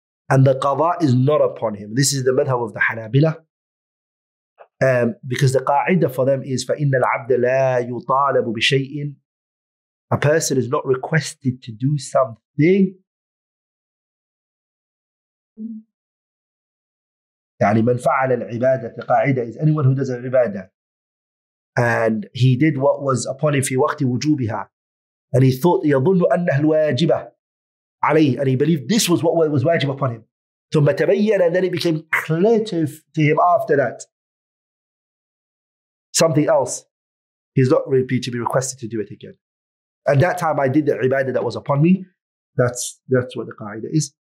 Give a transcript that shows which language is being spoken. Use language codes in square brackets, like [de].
[en] And the qada is not upon him. This is the madhab of the Hanabila. Because the qa'idah for them is, [ar] فَإِنَّ الْعَبْدَ لَا يُطَالَبُ بِشَيْءٍ. [en] A person is not requested to do something. [ar] يعني من فعل العبادة قاعدة [en] is anyone who does an ibadah. And he did what was upon him [ar] في وقت وجوبها. [en] And he thought, [ar] يظن أنه الواجبة عليه. [en] And he believed this was what was wajib upon him. [ar] ثم تبين, [en] and then it became clear to him after that. Something else. He's not really to be requested to do it again. At that time I did the ibadah that was upon me. That's what the qa'idah is.